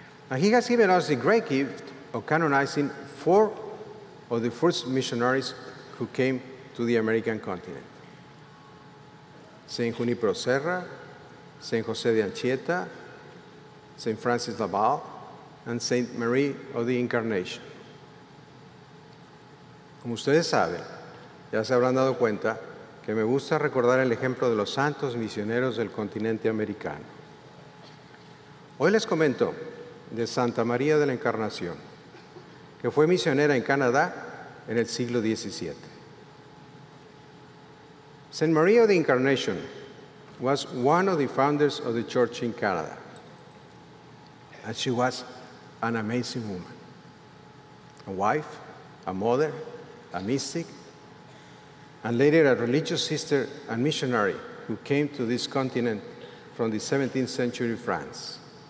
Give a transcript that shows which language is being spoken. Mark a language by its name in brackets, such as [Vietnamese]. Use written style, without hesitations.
[English] And he has given us the great gift of canonizing four of the first missionaries who came to the American continent: Saint Junipero Serra, Saint José de Anchieta, Saint Francis Laval, and Saint Marie of the Incarnation. [Spanish] Como ustedes saben, ya se habrán dado cuenta que me gusta recordar el ejemplo de los santos misioneros del continente americano. Hoy les comento de Santa María de la Encarnación, que fue misionera en Canadá en el siglo XVII. [English] Saint Marie of the Incarnation was one of the founders of the church in Canada, and she was an amazing woman, a wife, a mother, a mystic, and later a religious sister and missionary who came to this continent from the 17th century France.